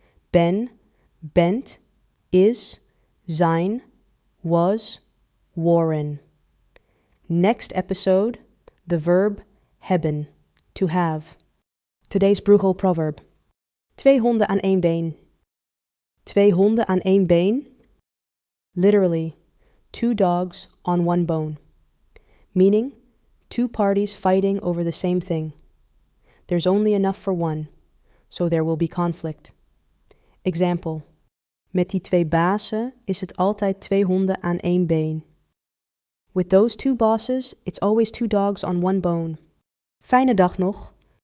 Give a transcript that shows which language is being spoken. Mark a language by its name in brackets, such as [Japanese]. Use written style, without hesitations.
[Dutch] Ben, bent, is, zijn, was, waren. [English] Next episode, the verb hebben, to have. Today's Bruegel proverb. [Dutch] Twee honden aan één been. Twee honden aan één been. [English] Literally, two dogs on one bone. Meaning, two parties fighting over the same thing. There's only enough for one. So there will be conflict. Example. [Dutch] Met die twee bazen is het altijd twee honden aan één been. [English] With those two bosses, it's always two dogs on one bone. [Dutch] Fijne dag nog.